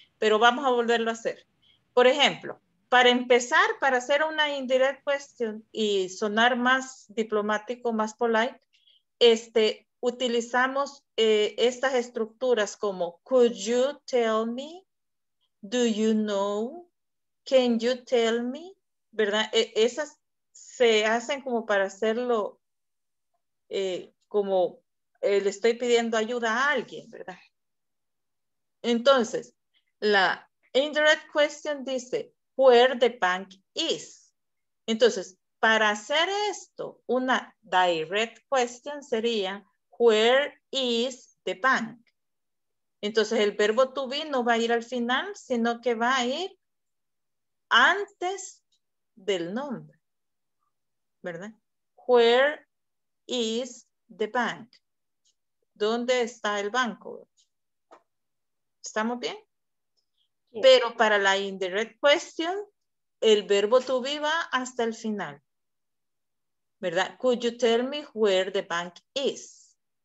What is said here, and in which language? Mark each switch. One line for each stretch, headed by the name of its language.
Spanish: Pero vamos a volverlo a hacer. Por ejemplo, para empezar, para hacer una indirect question y sonar más diplomático, más polite, utilizamos estas estructuras como
English: could you tell me,
Spanish: do you know, can you tell me, ¿verdad? Esas se hacen como para hacerlo, como le estoy pidiendo ayuda a alguien, ¿verdad? Entonces, la indirect question dice,
English: where the bank is.
Spanish: Entonces, para hacer esto, una direct question sería,
English: where is the bank?
Spanish: Entonces, el verbo to be no va a ir al final, sino que va a ir antes del nombre, ¿verdad?
English: Where is the bank?
Spanish: ¿Dónde está el banco? ¿Estamos bien? Pero para la indirect question, el verbo to be va hasta el final, ¿verdad?
English: Could you tell me where the bank is?